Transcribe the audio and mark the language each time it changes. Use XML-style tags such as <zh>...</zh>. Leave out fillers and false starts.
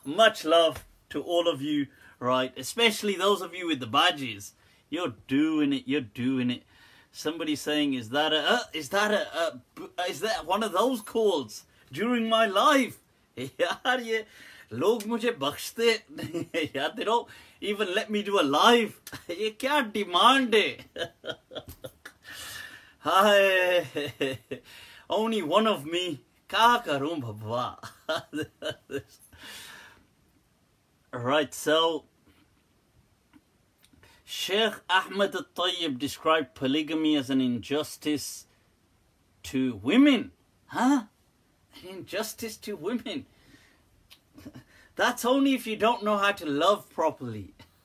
<en>Much love to all of you, right? Especially those of you with the badges. You're doing it. Somebody saying, is that one of those calls during my life? Yeah.</en> <hi>Log mujhe bakhshte yaar,</hi> <en>they don't even let me do a live.</en> <hi>ये क्या demand है?</hi> <en>Only one of me.</en> <hi>क्या करूँ बाबा?</hi> <en>Right, so Sheikh Ahmed Al-Tayyib described polygamy as an injustice to women. Huh? An injustice to women. That's only if you don't know how to love properly.</en>